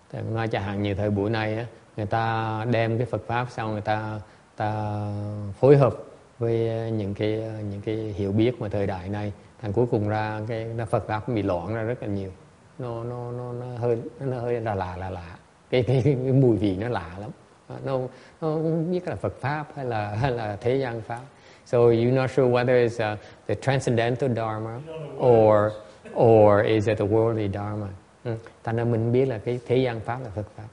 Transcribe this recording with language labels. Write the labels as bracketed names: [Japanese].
[Vietnamese] Nói chẳng hạn như thời buổi này á, người ta đem cái Phật pháp xong người ta phối hợp với những cái hiểu biết mà thời đại này, thành cuối cùng ra cái Phật pháp bị loạn ra rất là nhiều. Nó hơi là lạ, cái mùi vị nó lạ lắm. nó biết là Phật pháp hay là thế gian pháp. [English] So you're not sure whether it's the transcendental dharma or is it the worldly dharma. [Vietnamese] Thành ra mình biết là cái thế gian pháp là Phật pháp.